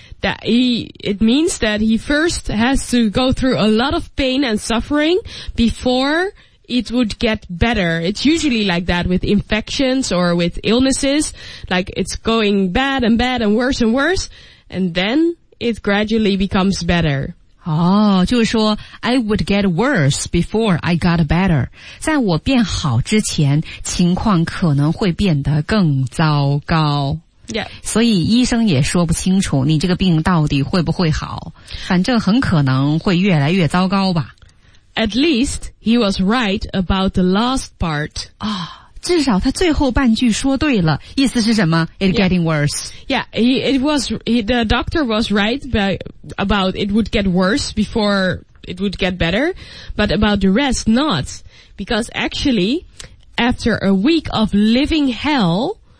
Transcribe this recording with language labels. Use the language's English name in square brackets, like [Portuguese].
[English] It means that he first has to go through a lot of pain and suffering before it would get better. It's usually like that with infections or with illnesses. Like it's going bad and bad and worse and worse. And then it gradually becomes better. [Chinese] 哦，就是说 [English] I would get worse before I got better. [Chinese] 在我变好之前情况可能会变得更糟糕。 [English] Yeah. [Chinese] 所以医生也说不清楚你这个病到底会不会好，反正很可能会越来越糟糕吧。 [English] At least he was right about the last part. [Chinese] 啊、哦，至少他最后半句说对了，意思是什么 ？ [English] It getting worse. Yeah, the doctor was right about it would get worse before it would get better, but about the rest not, because actually after a week of living hell.